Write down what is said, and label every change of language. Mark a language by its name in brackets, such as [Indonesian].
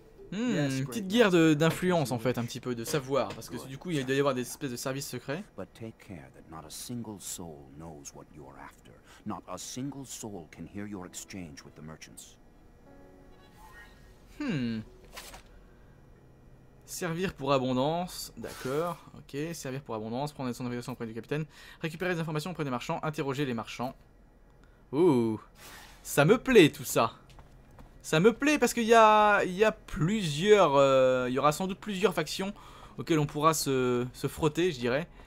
[French] Une petite guerre d'influence en fait, un petit peu de savoir, parce que du coup il doit y avoir des espèces de services secrets. [English] But take care that not a single soul knows what you're after. Not a single soul can hear your exchange with the merchants. [French] Servir pour abondance, d'accord, ok, servir pour abondance, prendre son invitation auprès du capitaine, récupérer des informations auprès des marchands, interroger les marchands. Ouh, ça me plaît tout ça. Ça me plaît parce qu'il y a plusieurs, il y aura sans doute plusieurs factions auxquelles on pourra se frotter, je dirais.